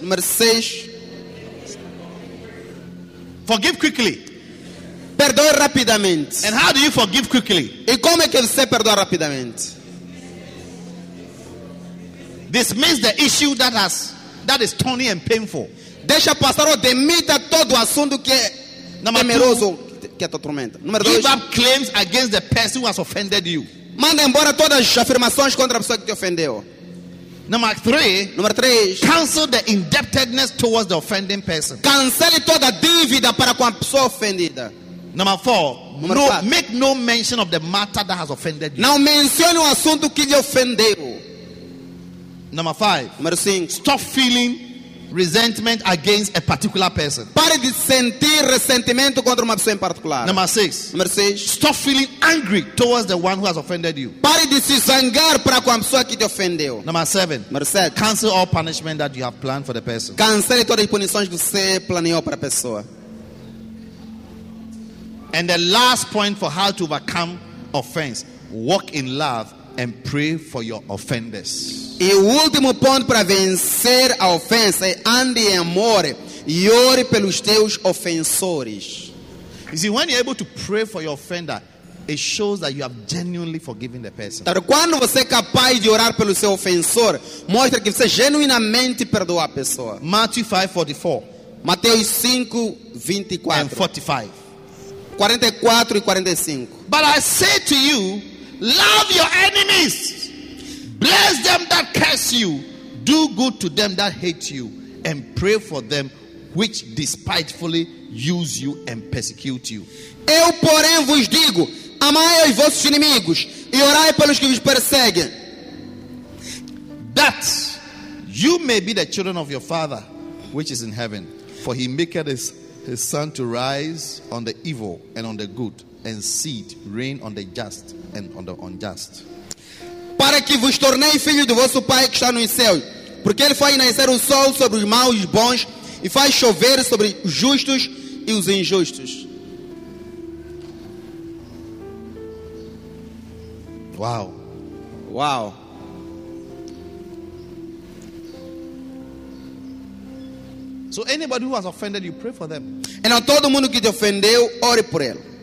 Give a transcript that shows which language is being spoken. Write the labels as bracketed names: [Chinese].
[Portuguese] Número 6. [English] Forgive quickly. [Portuguese] Perdoe rapidamente. [English] And how do you forgive quickly? [Portuguese] E como é que você perdoa rapidamente? [English] Dismiss the issue that is thorny and painful. [Portuguese] Deixa passar ou demita todo o assunto que é temeroso. [English] Give up claims against the person who has offended you. [Portuguese] Manda embora todas as afirmações contra a pessoa que te ofendeu. [English] Number 3. Cancel the indebtedness towards the offending person. [Portuguese] Cancele toda a dívida para com a pessoa ofendida. [English] Number 4. [Portuguese] Número 4. [English] Make no mention of the matter that has offended you. [Portuguese] Não mencione o assunto que lhe ofendeu. [English] Number 5. [Portuguese] Número 5. [English] Stop feeling resentment against a particular person. [Portuguese] Pare de sentir ressentimento contra uma pessoa em particular. [English] Number 6. [Portuguese] Número 6. [English] Stop feeling angry towards the one who has offended you. [Portuguese] Pare de se zangar para com a pessoa que te ofendeu. [English] Number 7. [Portuguese] Número 7. [English] Cancel all punishment that you have planned for the person. [Portuguese] Cancele todas as punições que você planejou para a pessoa. [English] And the last point for how to overcome offense: walk in love and pray for your offenders. [Portuguese] E o último ponto para vencer a ofensa é ande em amor e ore pelos teus ofensores. [English] You see, when you're able to pray for your offender, it shows that you have genuinely forgiven the person. [Portuguese] Então, quando você é capaz de orar pelo seu ofensor, mostra que você genuinamente perdoou a pessoa. [English] Matthew 5:44. [Portuguese] Mateus 5:24. [English] And 45. [Portuguese] 44 e 45. [English] But I say to you, love your enemies, bless them that curse you, do good to them that hate you, and pray for them which despitefully use you and persecute you. [Portuguese] Eu, porém, vos digo, amai os vossos inimigos e orai pelos que vos perseguem, [English] that you may be the children of your Father which is in heaven. For he maketh his sun to rise on the evil and on the good, and seed rain on the just and on the unjust. [Portuguese] Para que vos tornei filhos do vosso Pai que está nos céus, porque ele faz nascer o sol sobre os maus e os bons, e faz chover sobre os justos e os injustos. Uau. [English] So anybody who has offended you, pray for them. [Portuguese] Então todo mundo que te ofendeu, ore por ele.